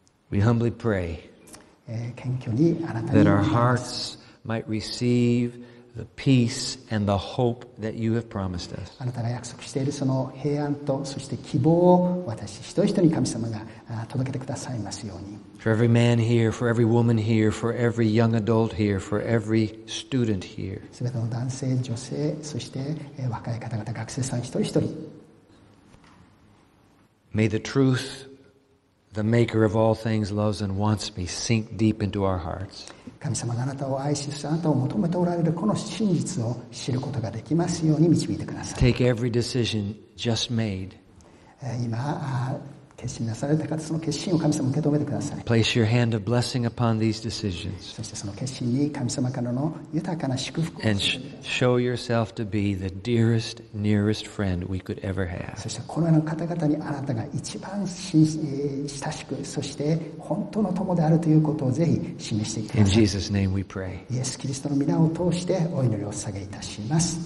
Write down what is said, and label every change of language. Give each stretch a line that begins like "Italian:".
English: We humbly pray that our hearts might receive the peace and the hope that you have promised us.
Japanese: あなたが約束しているその平安とそして希望を私一人一人神様が届けてくださいますように。
English: For every man here, for every woman here, for every young adult here, for every student here.
Japanese: すべての男性、女性、そして若い方々、学生さん一人一人。
English: May the truth, the maker of all things, loves and wants me, sink deep into our hearts.
Japanese: 神様があなたを愛し、あなたを求めておられるこの真実を知ることができますように導いてください。
English: Take every decision just made.
Japanese: 今、決心なされた方、その決心を神様受け止めてください。
English: Place your hand of blessing upon these decisions.
Japanese: そしてその決心に神様からの豊かな祝福を。
English: And show yourself to be the dearest, nearest friend we could ever have.
Japanese: そしてこの世の方々にあなたが一番親しく、そして本当の友であるということをぜひ示していただきたい。
English: In Jesus' name we pray.
Japanese: イエス・キリストの皆を通してお祈りを捧げいたします。